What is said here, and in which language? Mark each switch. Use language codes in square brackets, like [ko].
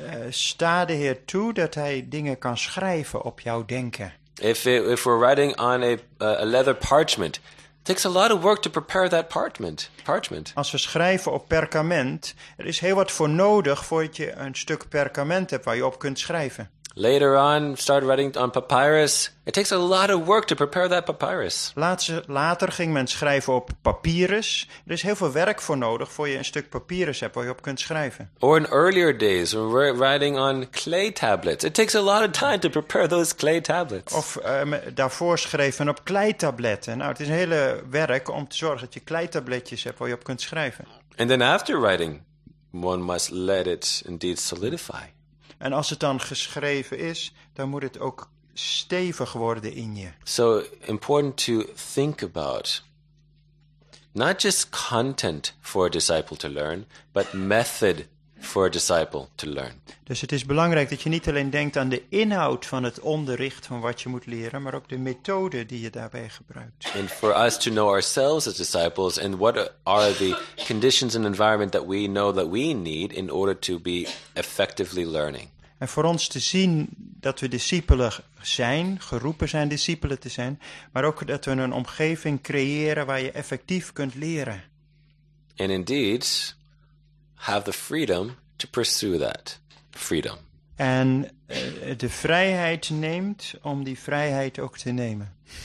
[nl] Sta de Heer toe dat hij dingen kan schrijven op jouw denken. [en] If we're writing on a leather parchment, it takes a lot of work to prepare that parchment. [nl] Als we schrijven op perkament, er is heel wat voor nodig voordat je een stuk perkament hebt waar je op kunt schrijven. [en] Later on, start writing on papyrus. It takes a lot of work to prepare that papyrus. [nl] Later ging men schrijven op papyrus. Er is heel veel werk voor nodig voordat je een stuk papyrus hebt waar je op kunt schrijven. [en] Or in earlier days, when we're writing on clay tablets. It takes a lot of time to prepare those clay tablets. [nl] Of daarvoor schreven op kleitabletten. Nou, het is een hele werk om te zorgen dat je kleitabletjes hebt waar je op kunt schrijven. [en] And then after writing, one must let it indeed solidify. [nl] En als het dan geschreven is, dan moet het ook stevig worden in je. [en] So important to think about not just content for a disciple to learn, but method for a disciple to learn. [nl] Dus het is belangrijk dat je niet alleen denkt aan de inhoud van het onderricht van wat je moet leren, maar ook de methode die je daarbij gebruikt. [en] And for us to know ourselves as disciples and what are the conditions and environment that we know that we need in order to be effectively learning. [nl] En voor ons te zien dat we discipelen zijn, geroepen zijn discipelen te zijn, maar ook dat we een omgeving creëren waar je effectief kunt leren. [en] And indeed have the freedom to pursue that freedom. [nl] En de vrijheid neemt om die vrijheid ook te nemen.